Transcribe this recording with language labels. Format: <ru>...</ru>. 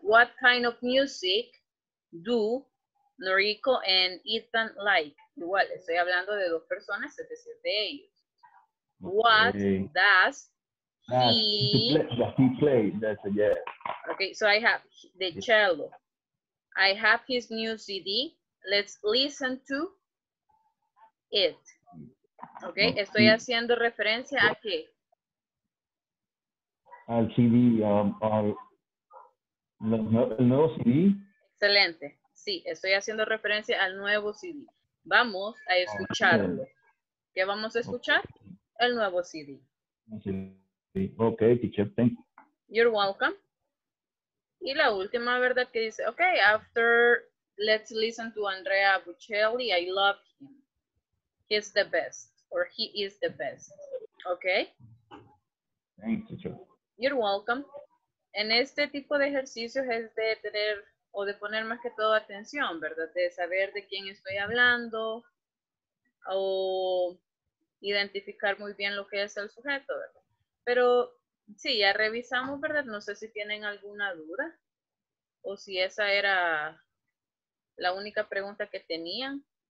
<en>What kind of music do Noriko and Ethan like?</en> <es>Igual, estoy hablando de dos personas, es decir, de ellos.</es> <en>What does he play? That's a yes. Okay, so I have the cello. I have his new CD. Let's listen to it. Okay,</en> <es>estoy haciendo referencia a qué? Al CD, el nuevo CD. Excelente. Sí, estoy haciendo referencia al nuevo CD. Vamos a escucharlo. ¿Qué vamos a escuchar? El nuevo CD.</es> <en>Ok, teacher, thank you. You're welcome.</en> <es>Y la última, ¿verdad? Que dice,</es> <en>ok, after let's listen to Andrea Bocelli, I love him. He's the best, or he is the best. Ok. Thank you, teacher. You're welcome.</en> <es>En este tipo de ejercicios es de tener o de poner más que todo atención, ¿verdad? De saber de quién estoy hablando o identificar muy bien lo que es el sujeto, ¿verdad? Pero sí, ya revisamos, ¿verdad? No sé si tienen alguna duda o si esa era la única pregunta que tenían.</es>